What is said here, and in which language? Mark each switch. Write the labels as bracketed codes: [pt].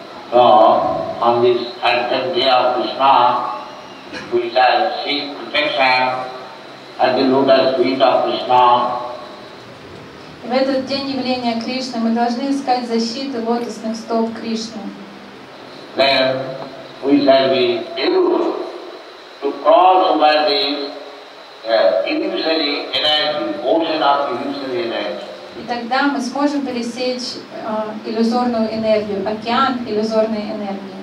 [en] So, on this advent day of Krishna, we shall seek protection at the lotus feet of Krishna. [ru] В этот день явления Кришны мы должны искать защиту лотосных стоп Кришны. [en] Then we shall be able to cross over the illusory energy, ocean of illusory energy. [ru] И тогда мы сможем пересечь иллюзорную энергию, океан иллюзорной энергии.